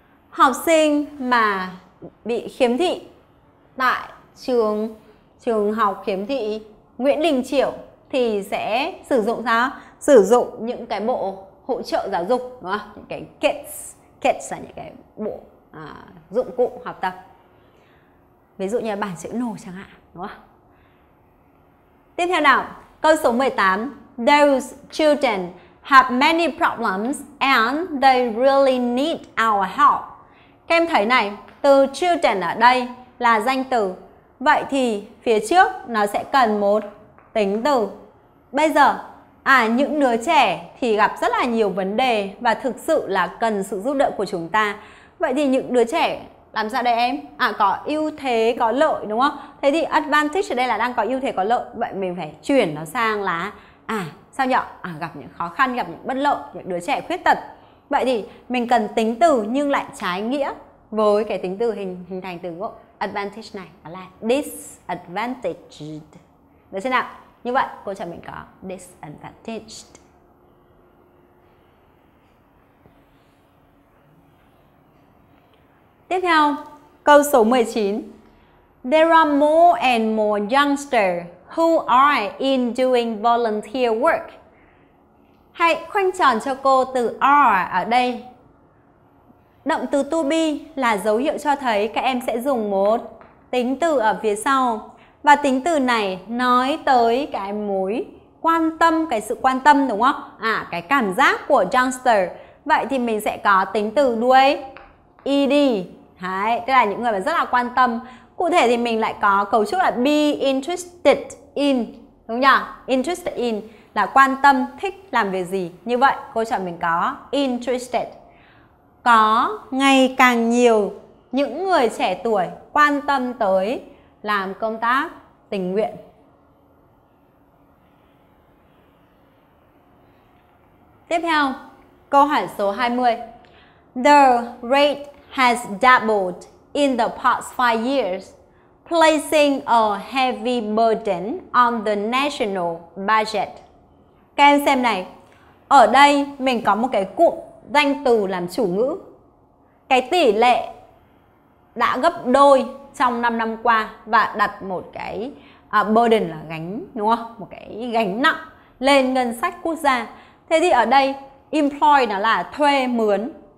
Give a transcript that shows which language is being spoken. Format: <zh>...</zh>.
<vi>Học sinh mà bị khiếm thị tại trường trường học khiếm thị Nguyễn Đình Chiểu thì sẽ sử dụng sao? Sử dụng những cái bộ hỗ trợ giáo dục, đúng không? Những cái kits, kits là những cái bộ dụng cụ học tập, ví dụ như bảng chữ nổi chẳng hạn, đúng không? Tiếp theo nào, câu số 18.</vi> <en>Those children have many problems and they really need our help.</en> <vi>Các em thấy này, từ children ở đây là danh từ. Vậy thì phía trước nó sẽ cần một tính từ. Bây giờ, những đứa trẻ thì gặp rất là nhiều vấn đề và thực sự là cần sự giúp đỡ của chúng ta. Vậy thì những đứa trẻ làm sao đây em? Có ưu thế, có lợi, đúng không? Thế thì advantage ở đây là đang có ưu thế, có lợi. Vậy mình phải chuyển nó sang là sao nhỉ? Gặp những khó khăn, gặp những bất lợi, những đứa trẻ khuyết tật. Vậy thì mình cần tính từ nhưng lại trái nghĩa với cái tính từ hình thành từ ngữ advantage này, đó là disadvantaged. Được chưa nào? Như vậy câu trả lời mình có disadvantaged. Tiếp theo, câu số 19.</vi> <en>There are more and more youngsters who are in doing volunteer work.</en> <vi>Hãy khoanh tròn cho cô từ are ở đây. Động từ to be là dấu hiệu cho thấy các em sẽ dùng một tính từ ở phía sau. Và tính từ này nói tới cái mối quan tâm, cái sự quan tâm đúng không? À, cái cảm giác của youngster. Vậy thì mình sẽ có tính từ đuôi ed. Đấy, tức là những người mà rất là quan tâm. Cụ thể thì mình lại có cấu trúc là be interested in, đúng nhỉ? Interested in là quan tâm, thích làm việc gì. Như vậy, câu trả lời mình có interested. Có ngày càng nhiều những người trẻ tuổi quan tâm tới làm công tác tình nguyện. Tiếp theo, câu hỏi số 20.</vi> <en>The rate has doubled in the past 5 years, placing a heavy burden on the national budget.</en> <vi>Các em xem này, ở đây mình có một cái cụm danh từ làm chủ ngữ. Cái tỷ lệ đã gấp đôi trong 5 năm qua và đặt một cái burden là gánh, đúng không? Một cái gánh nặng lên ngân sách quốc gia. Thế thì ở đây employ nó là thuê mướn.</vi>